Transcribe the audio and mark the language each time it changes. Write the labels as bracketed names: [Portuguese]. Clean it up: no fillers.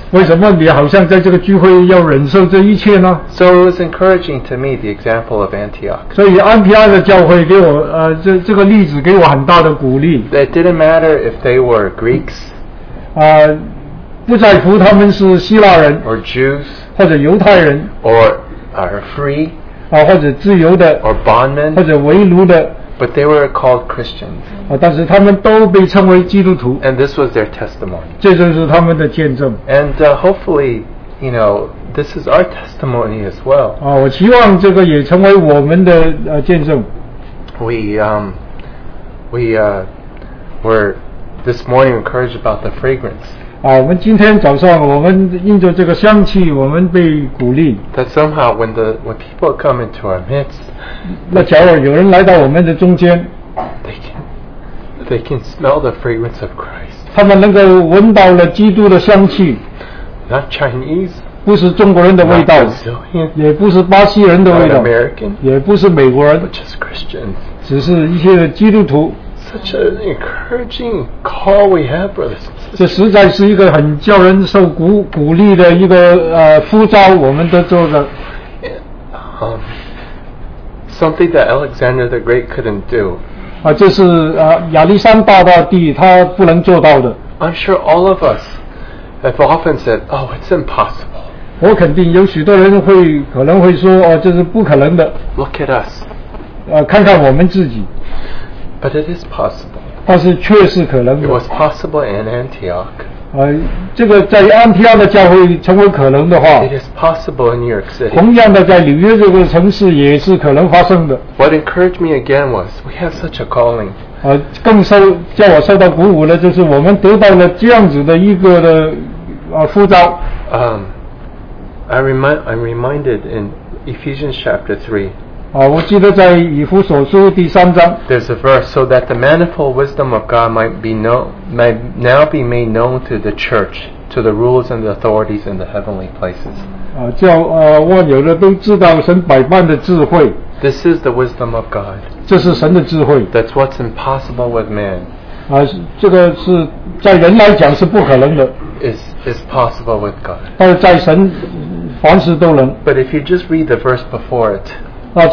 [Chinese] 为什么你好像在这个聚会要忍受这一切呢? [English] So it was encouraging to me, the example of Antioch. [Chinese] 所以安提阿的教会给我, 这个例子给我很大的鼓励。 [English] It didn't matter if they were Greeks, [Chinese] 啊, 不在乎他们是希腊人, [English] or Jews, [Chinese] 或者犹太人, [English] or are free, [Chinese] 啊, 或者自由的, [English] or bondmen, [Chinese] 或者为奴的, [English] But they were called Christians. [Chinese] 但是他们都被称为基督徒。 [English] And this was their testimony. [Chinese] 这就是他们的见证。 [English] And hopefully, you know, this is our testimony as well. [Chinese] 我希望这个也成为我们的见证。 [English] We were this morning encouraged about the fragrance. [Chinese] 我们今天早上我们印着这个香气，我们被鼓励。 [English] That somehow when people come into our midst. [Chinese] 那假如有人来到我们的中间。 [English] They can smell the fragrance of Christ. [Chinese] 他们能够闻到了基督的香气。 [English] Not Chinese. [Chinese] 不是中国人的味道。 [English] Not Brazilian. [Chinese] 也不是巴西人的味道。 [English] Not American. [Chinese] 也不是美国人。 [English] But just Christians. [Chinese] 只是一些基督徒。 [English] Such an encouraging call we have, brothers. [Chinese] 这实在是一个很叫人受鼓励的一个呼召，我们都做的。 [English] Something that Alexander the Great couldn't do. [Chinese] 这是亚历山大大帝他不能做到的。 [English] I'm sure all of us have often said, "Oh, it's impossible." [Chinese] 我肯定有许多人会可能会说，哦，这是不可能的。 [English] Look at us. [Chinese] 看看我们自己。 [English] But it is possible. [Chinese] 但是确实可能的。 [English] It was possible in Antioch. [Chinese] 这个在安提阿的教会成为可能的话。 [English] It is possible in New York City. [Chinese] 同样的，在纽约这个城市也是可能发生的。 [English] What encouraged me again was we have such a calling. [Chinese] 更叫我受到鼓舞的就是我们得到了这样子的一个的呼召。 [English] I'm reminded in Ephesians chapter 3. [Chinese] 我记得在以弗所书第三章。 [English] There's a verse, so that the manifold wisdom of God might now be made known to the church, to the rulers and the authorities in the heavenly places. [Chinese] 叫万有的都知道神百般的智慧。 [English] This is the wisdom of God. [Chinese] 这是神的智慧。 [English] That's what's impossible with man. [Chinese] 这个是在人来讲是不可能的。 [English] Is possible with God. [Chinese] 但是在神凡事都能。 [English] But if you just read the verse before it,